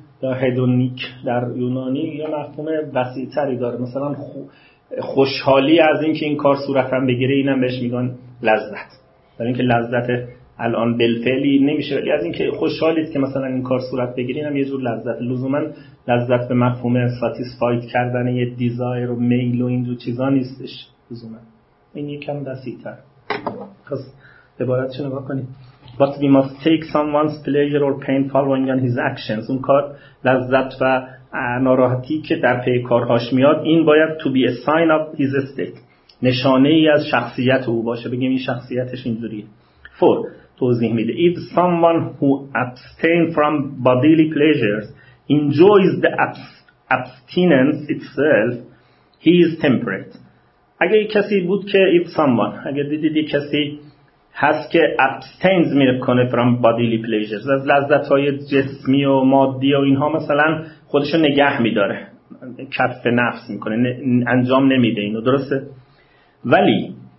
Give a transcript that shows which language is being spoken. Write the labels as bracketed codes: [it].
[fa] یا هدونیک در یونانی یا مفهوم وسیع تری داره، مثلا خوشحالی از این که این کار صورتم بگیره، اینم بهش میگن لذت. برای این که لذت الان بالفعلی نمیشه، ولی از این که خوشحالید که مثلا این کار صورت بگیره، اینم یه جور لذت. لزومن لذت به مفهوم ساتیسفاید کردن یه دیزایر و میل و این دو چیزا نیستش لزومن. این یکم وسیع تر. پس عبارتشو نگاه کنید. [en] But we must take someone's pleasure or pain following on his actions. [fa] اون کار لذت و ناراحتی که در پی کارهاش میاد، این باید [en] to be a sign of his state، [fa] نشانه ای از شخصیت او باشه. بگیم این شخصیتش اینجوریه. For توضیح میده. [en] If someone who abstains from bodily pleasures enjoys the abstinence itself, he is temperate. [fa] اگه یک کسی بود که [en] if someone، [fa] اگه دیدید یک کسی هست که abstains میکنه [en] from bodily pleasures، [fa] از لذت‌های جسمی و مادی و اینها مثلا خودشو نگه میداره، کف نفس میکنه، انجام نمیده اینو، درسته؟ ولی